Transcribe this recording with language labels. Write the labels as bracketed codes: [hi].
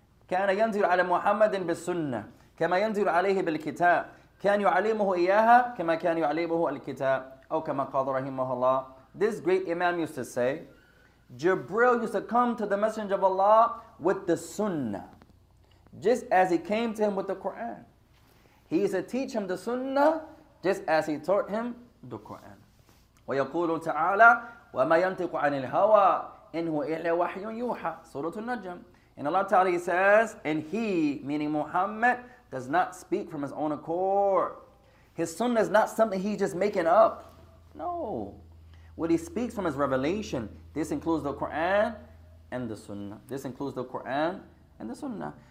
[ar] كان ينزل على محمد بالسنة كما ينزل عليه بالكتاب كان يعلمه إياها كما كان يعلمه الكتاب أو كما قال رحمه الله. [en] This great imam used to say, Jibril used to come to the Messenger of Allah with the Sunnah, just as he came to him with the Quran. He used to teach him the Sunnah just as he taught him the Quran. [ar] ويقول تعالى وما ينطق عن الهوى إن هو إلا وحي يوحى سورة النجم. [en] And Allah Ta'ala, he says, and he, meaning Muhammad, does not speak from his own accord. His sunnah is not something he's just making up. No. What he speaks from is revelation. This includes the Quran and the sunnah. This includes the Quran and the sunnah.